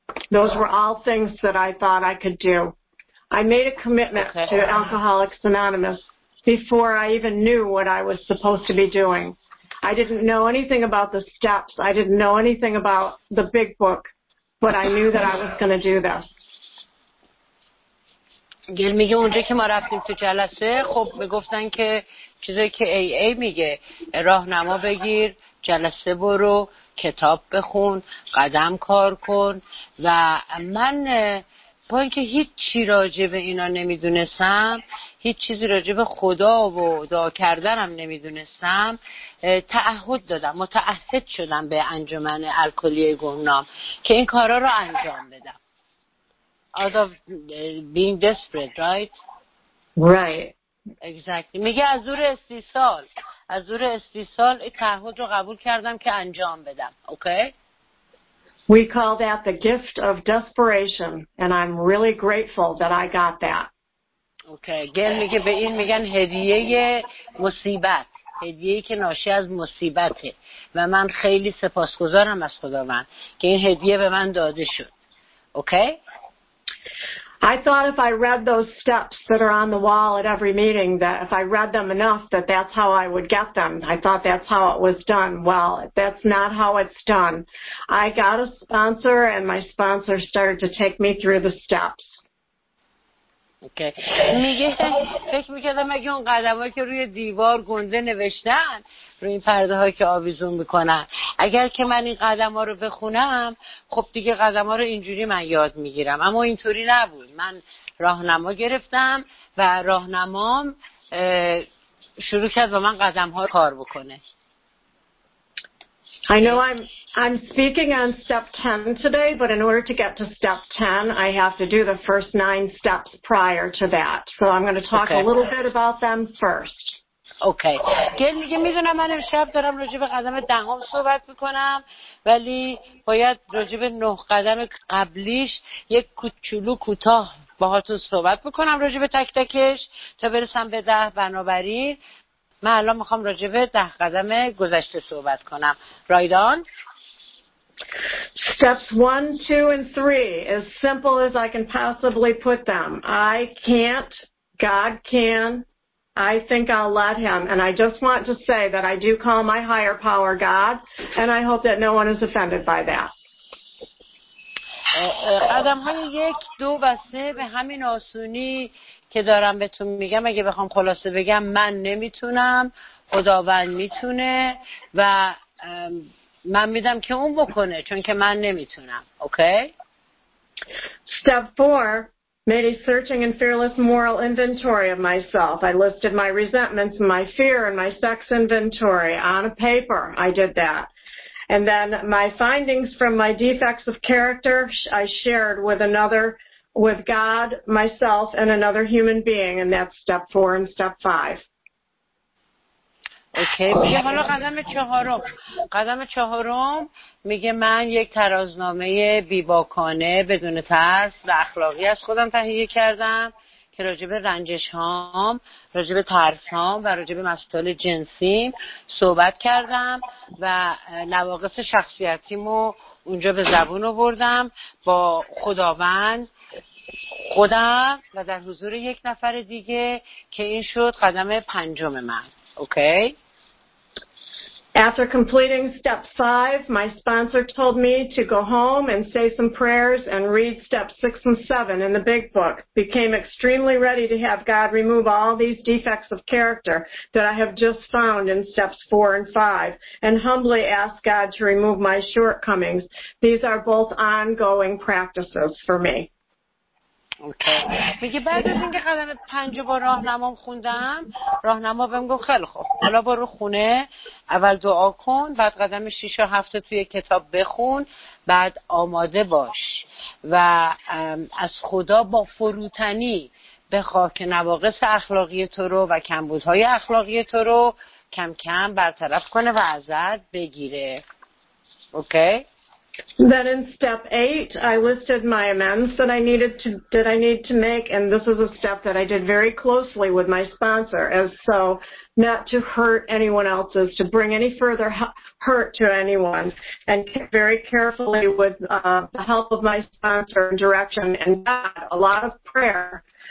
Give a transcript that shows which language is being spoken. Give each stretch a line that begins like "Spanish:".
English: Those were all things that I thought I could do. I made a commitment to Alcoholics Anonymous before I even knew what I was supposed to be doing. I didn't know anything about the steps. I didn't know anything about the big book, but I knew that I was going to do this.
Persian: گل میگه اونجا که ما رفتیم تو جلسه خب میگفتن که چیزایی که ای ای میگه راهنما بگیر جلسه برو کتاب بخون قدم کار کن و من با اینکه هیچ چی راجع به اینا نمیدونستم هیچ چیزی راجع به خدا و دعا کردنم نمیدونستم تعهد دادم متعهد شدم به انجمن الکلی گمنام که این کارا رو انجام بدم
English: out of being desperate, right? Right. Exactly.
Persian: میگه از زور استیصال. از زور استیصال تعهد رو قبول کردم که انجام بدم.
English: Okay? We call that the gift of desperation, and I'm really grateful that I got that. Okay.
Persian: گل میگه به این میگن هدیه مصیبت. هدیه که ناشی از مصیبته. و من خیلی سپاسگزارم از خداوند که این هدیه به من داده شد.
English: Okay? I thought if I read those steps that are on the wall at every meeting, that if I read them enough, that that's how I would get them. I thought that's how it was done. Well, that's not how it's done. I got a sponsor, and my sponsor started to take me through the steps. Okay.
Persian: میگه فکر میکردم اگه اون قدم هایی که روی دیوار گنده نوشتن روی این پرده هایی که آویزون میکنن اگر که من این قدم ها رو بخونم خب دیگه قدم ها رو اینجوری من یاد میگیرم اما اینطوری نبود من راهنما گرفتم و راهنمام شروع کرد به من قدم ها کار بکنه.
English: I know I'm speaking on step 10 today, but in order to get to step 10, I have to do the first 9 steps prior to that. So I'm going to talk a little bit about them first. Okay.
Persian: گل میگه میدونم من امشب دارم راجع به قدم دهم صحبت میکنم ولی باید راجع به 9 قدم قبلیش یک کوچولو کوتاه باهاتون صحبت بکنم راجع به تک تکش تا برسم به 10 بنابراین من الان میخوام راجع به 10 قدم گذشته صحبت کنم.
English: رایدان؟ Steps 1, 2, and 3 as simple as I can possibly put them. I can't, God can, I think I'll let him. And I just want to say that I do call my higher power God, and I hope that no one is offended by that.
Persian: قدم های 1, 2,
English: and
Persian: 3 به همین آسونی که دارم بهتون میگم اگه بخوام خلاصه بگم من نمیتونم خداوند میتونه و من میدم که اون بکنه چون که من نمیتونم.
English: Okay? Step 4 made a searching and fearless moral inventory of myself. I listed my resentments and my fear and my sex inventory on a paper. I did that. And then my findings from my defects of character, I shared with another, with God, myself, and another human being. And that's step 4 and step 5. Okay.
Persian: میگه حالا قدم چهارم. قدم چهارم میگه من یک ترازنامه بیباکانه بدون ترس و اخلاقی از خودم تهیه کردم که راجب رنجش هام، راجب ترس هام و راجب مسائل جنسیم صحبت کردم و نواقص شخصیتیمو اونجا به زبون آوردم با خداوند خودم و در حضور یک نفر دیگه که این شد قدم پنجم من.
English: Okay? After completing step 5, my sponsor told me to go home and say some prayers and read steps 6 and 7 in the big book. Became extremely ready to have God remove all these defects of character that I have just found in steps 4 and 5 and humbly ask God to remove my shortcomings. These are both ongoing practices for me. Okay.
Persian: میگه بعد از اینکه قدم پنج با راهنمام خوندم راهنما بهم گفت خیلی خوب حالا برو خونه اول دعا کن بعد قدم 6 و 7 توی کتاب بخون بعد آماده باش و از خدا با فروتنی بخوا که نواقص اخلاقی تو رو و کمبودهای اخلاقی تو رو کم کم برطرف کنه و ازت بگیره. اوکی.
English: Then in step 8, I listed my amends that I needed to make, and this is a step that I did very closely with my sponsor, as so not to hurt anyone else's, to bring any further hurt to anyone, and very carefully with the help of my sponsor and direction and God, a lot of prayer.